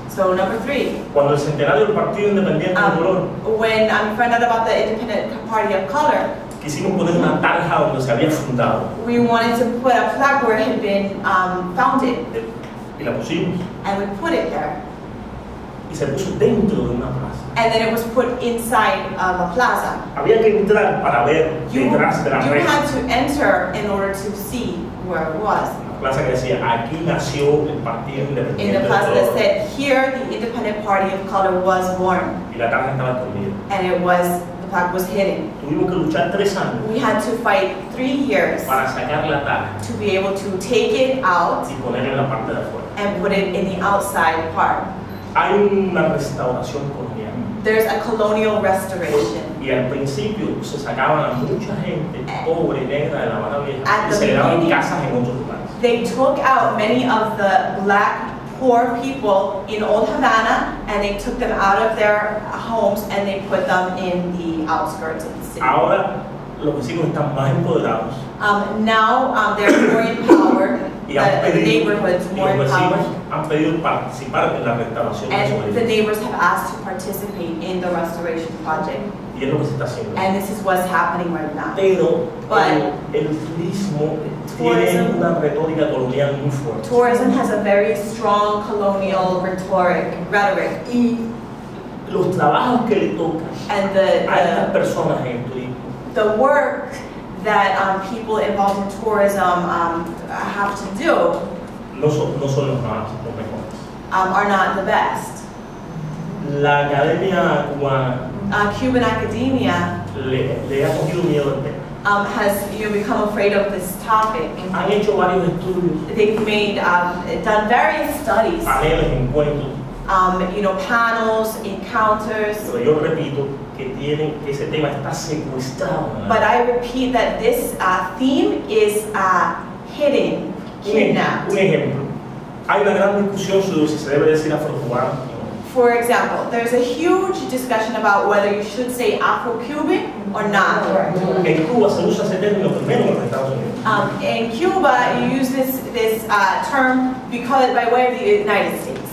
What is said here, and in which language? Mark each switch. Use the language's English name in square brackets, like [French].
[English] So number three, when I found out about the Independent Party of Color, [Spanish] poner una tarja donde se había fundado, [English] we wanted to put a flag where it had been founded, [Spanish] y la pusimos, [English] and we put it there, [Spanish] y se puso dentro de una plaza. [English] And then it was put inside of a plaza. [Spanish] Había que entrar para ver detrás de la reja. [English] You had to enter in order to see where it was. [Spanish] Plaza que decía, aquí nació el Partido Independiente. [English] In the plaza that said, here the Independent Party of Color was born. [Spanish] Y la tarja estaba escondida. [English] And it was, the plaque was hidden. [Spanish] Tuvimos que luchar 3 años. [English] We had to fight 3 years. [Spanish] Para sacar la tarja. [English] To be able to take it out. [Spanish] Y ponerla en la parte de afuera. [English] And put it in the outside part. [Spanish] Hay una restauración colonial. [English] There's a colonial restoration. [Spanish] Y al principio se sacaban a mucha gente pobre, negra de la Habana Vieja. [English] At [Spanish] y se le daban casas en otros lugares. [English] They took out many of the black poor people in Old Havana and they took them out of their homes and they put them in the outskirts of the city. [Spanish] Ahora, los vecinos están más empoderados. [English] Now they're more empowered, the neighborhoods more empowered. [Spanish] Han pedido participar en la restauración. [English] And the neighbors have asked to participate in the restoration project. [Spanish] Y es lo que se está haciendo. [English] And this is what's happening right now. [Spanish] Pero, el turismo tiene una retórica colonial muy fuerte. [English] Tourism has a very strong colonial rhetoric. [Spanish] Y los trabajos que le tocan a estas personas en turismo. [English] The work that people involved in tourism have to do. [Spanish] No son los mejores. [English] Are not the best. [Spanish] La academia cubana. [English] Cuban academia has become afraid of this topic. [Spanish] Han hecho varios estudios. [English] They've made done various studies. [Spanish] Paneles, encuentros. [English] Panels, encounters. [Spanish] Pero yo repito que tienen que ese tema está secuestrado. [English] But I repeat that this theme is hidden, kidnapped. [Spanish] Un ejemplo. Hay una gran discusión sobre si se debe decir afro-cubano. [English] for example, there's a huge discussion about whether you should say Afro-Cuban or not. In Cuba, [Spanish] se usa ese término primero en Estados Unidos. [English] In Cuba, you use this term because by way of the United States.